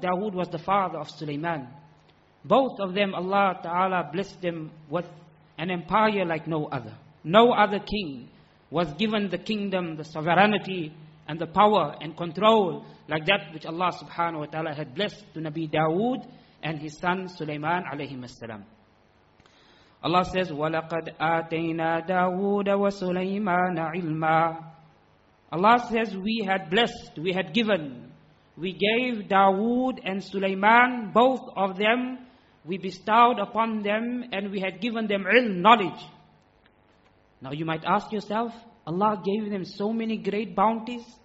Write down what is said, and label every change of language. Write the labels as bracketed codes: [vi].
[en] Dawood was the father of Sulaiman. Both of them Allah ta'ala blessed them with an empire like no other. No other king was given the kingdom, the sovereignty and the power and control like that which Allah subhanahu wa ta'ala had blessed to Nabi Dawood and his son Sulaiman alayhim as-salam. Allah says, [ar] وَلَقَدْ آتَيْنَا دَاوُودَ وَسُلَيْمَانَ عِلْمًا. [en] Allah says, we had blessed, we had given, we gave Dawood and Sulaiman, both of them, we bestowed upon them, and we had given them ilm, knowledge. Now you might ask yourself, Allah gave them so many great bounties.